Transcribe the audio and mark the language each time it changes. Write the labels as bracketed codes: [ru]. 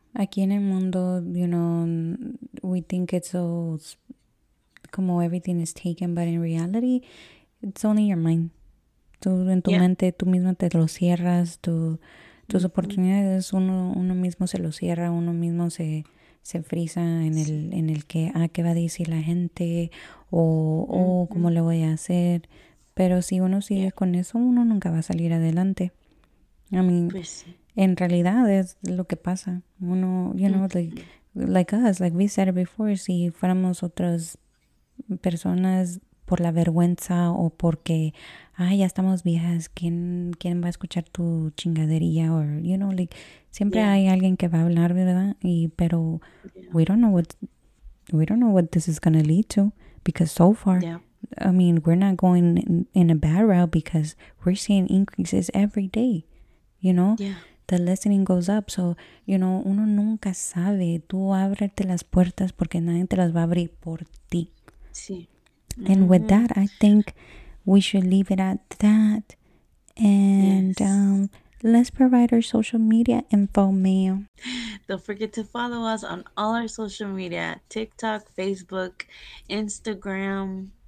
[es] Aquí en el mundo, [en] you know, we think it's all, como everything is taken, but in reality, it's only your mind. [es] Tú en tu mente, tú mismo te lo cierras, tus oportunidades, uno mismo se lo cierra, uno mismo se frisa en el que, ¿qué va a decir la gente? O ¿cómo le voy a hacer? Pero si uno sigue con eso, uno nunca va a salir adelante. [en] I mean, [es] pues sí. En realidad es lo que pasa. Uno, [en] you know, like us, like we said before, [es] si fuéramos otras personas por la vergüenza o porque, ya estamos viejas, ¿quién va a escuchar tu chingadería? [en] Or, you know, like, [es] siempre hay alguien que va a hablar, ¿verdad? [en] Pero we don't know what this is going to lead to, because so far, I mean, we're not going in a bad route because we're seeing increases every day, you know? Yeah. The listening goes up, so, you know, [es] uno nunca sabe. Tú ábrete las puertas porque nadie te las va a abrir por ti. Sí. [en] And with that, I think we should leave it at that. And let's provide our social media info, mail. Don't forget to follow us on all our social media, TikTok, Facebook, Instagram.